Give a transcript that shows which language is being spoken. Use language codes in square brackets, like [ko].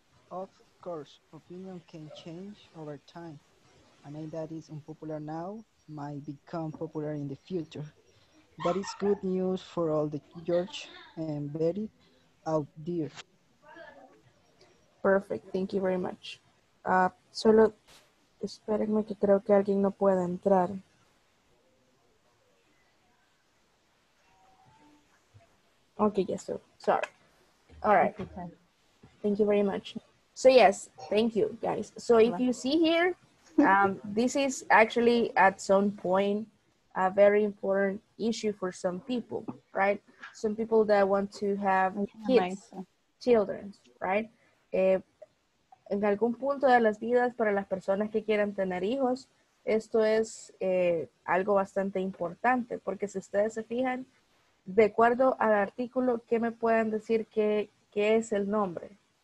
[en] Of course, opinion can change over time. A name that is unpopular now might become popular in the future. That is good news for all the George and Betty out there. Perfect, thank you very much. [es] Solo espérenme que creo que alguien no pueda entrar. [en] Okay, yes, sir. Sorry. All right. Thank you very much. So yes, thank you guys. So if you see here, this is actually at some point a very important issue for some people, right? Some people that want to have kids, children, right? [es] En algún punto de las vidas, para las personas que quieran tener hijos, esto es algo bastante importante, porque si ustedes se fijan, de acuerdo al artículo, ¿qué me pueden decir qué es el nombre?